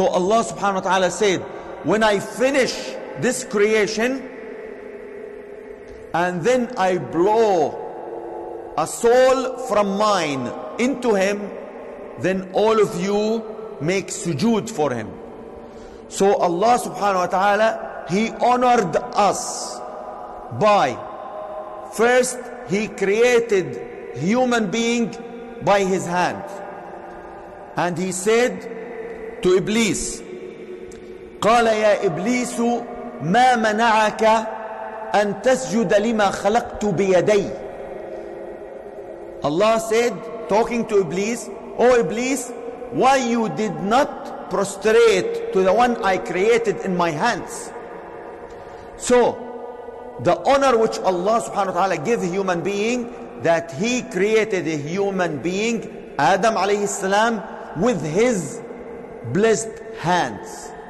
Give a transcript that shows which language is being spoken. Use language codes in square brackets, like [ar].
[en] So Allah subhanahu wa ta'ala said, when I finish this creation, and then I blow a soul from mine into him, then all of you make sujood for him. So Allah subhanahu wa ta'ala, he honored us by, first, he created human being by his hand. And he said to Iblis, [ar] قَالَ يَا إِبْلِيسُ مَا مَنَعَكَ أَن تَسْجُدَ لِمَا خَلَقْتُ بِيَدَيْ. [en] Allah said, talking to Iblis, O Iblis, why you did not prostrate to the one I created in my hands? So, the honor which Allah subhanahu wa ta'ala gives human being, that he created a human being, Adam alayhi salam, with his blessed hands.